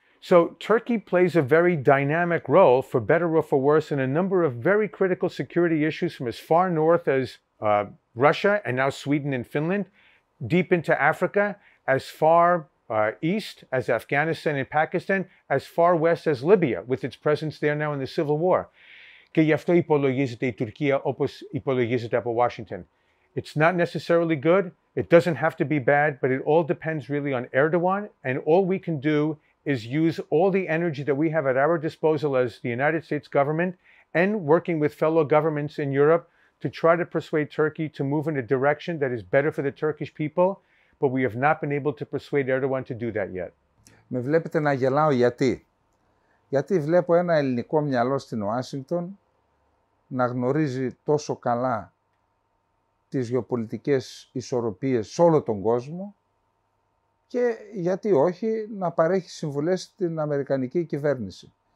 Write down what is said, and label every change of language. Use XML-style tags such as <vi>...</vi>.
<en>So Turkey plays a very dynamic role, for better or for worse, in a number of very critical security issues from as far north as Russia and now Sweden and Finland, deep into Africa, as far east as Afghanistan and Pakistan, as far west as Libya, with its presence there now in the civil war.</en> <el>Και γι' αυτό υπολογίζεται η Τουρκία όπως υπολογίζεται από Washington.</el> <en>It's not necessarily good, it doesn't have to be bad, but it all depends really on Erdogan, and all we can do is use all the energy that we have at our disposal as the United States government and working with fellow governments in Europe to try to persuade Turkey to move in a direction that is better for the Turkish people, but we have not been able to persuade Erdogan to do that yet.</en> <el>Με βλέπετε να γελάω γιατί. Γιατί βλέπω ένα ελληνικό μυαλό στην Ουάσιγκτον να γνωρίζει τόσο καλά τις γεωπολιτικές ισορροπίες σε όλο τον κόσμο και γιατί όχι να παρέχει συμβουλές στην Αμερικανική κυβέρνηση.</el>